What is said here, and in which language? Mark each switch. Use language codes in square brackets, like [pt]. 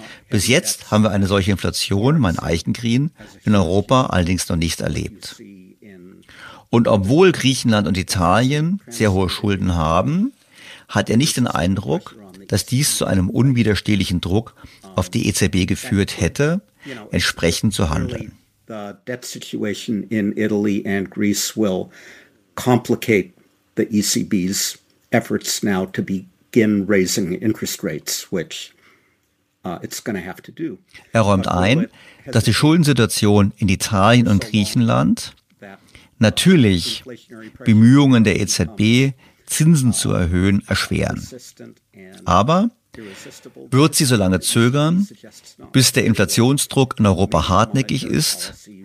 [de] Bis jetzt haben wir eine solche Inflation, mein Eichengreen, in Europa allerdings noch nicht erlebt. Und obwohl Griechenland und Italien sehr hohe Schulden haben, hat er nicht den Eindruck, dass dies zu einem unwiderstehlichen Druck auf die EZB geführt hätte, entsprechend zu handeln. [en] The debt situation in Italy and Greece will complicate the ECB's efforts now to begin raising interest rates, which it's going to have to do. [de] Er räumt ein, dass die Schuldensituation in Italien und Griechenland natürlich Bemühungen der EZB, Zinsen zu erhöhen, erschweren. Aber wird sie so lange zögern, bis der Inflationsdruck in Europa hartnäckig ist?